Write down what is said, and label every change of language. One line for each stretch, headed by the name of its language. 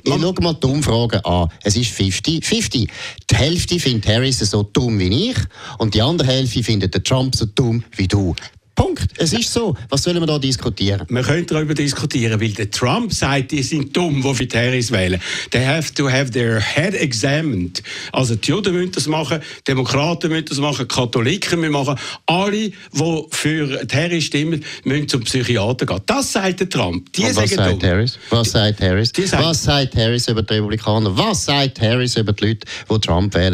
German: Ich schaue mal die Umfragen an. Es ist 50-50. Die Hälfte findet Harrys so dumm wie ich und die andere Hälfte findet Trump so dumm wie du. Punkt. Es ist so. Was sollen wir da diskutieren? Wir können darüber diskutieren, weil der Trump sagt, die sind dumm, die für Harrys wählen.
English: They have to have their head examined.
German: Also die Juden müssen das machen, Demokraten müssen das machen, Katholiken müssen machen. Alle, die für Harrys stimmen, müssen zum Psychiater gehen. Das sagt der Trump. Die sagen dumm. Was sagt Harrys über die Republikaner? Was sagt Harrys über die Leute, die Trump wählen?